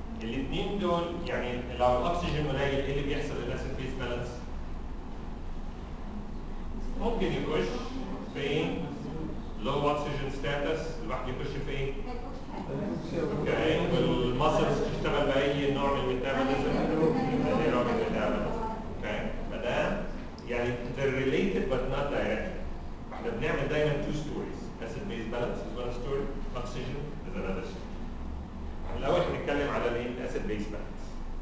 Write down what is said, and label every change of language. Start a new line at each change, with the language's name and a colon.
Arabic: الاثنين دول يعني لو الاكسجين قليل ايه اللي بيحصل للاسيد بيس بالانس؟ ممكن يخش فين؟ لو اكسجين ستاتس الواحد يخش فين؟ اوكي والمسلز تشتغل باي نوع من الميتابوليزم؟ اي نوع من الميتابوليزم؟ اوكي فده يعني
English: they're related but not directly.
Arabic: احنا بنعمل دايما two stories.
English: Acid base balance is one story. Oxygen is another story.
Arabic: الأول هنتكلم على الـ acid base balance.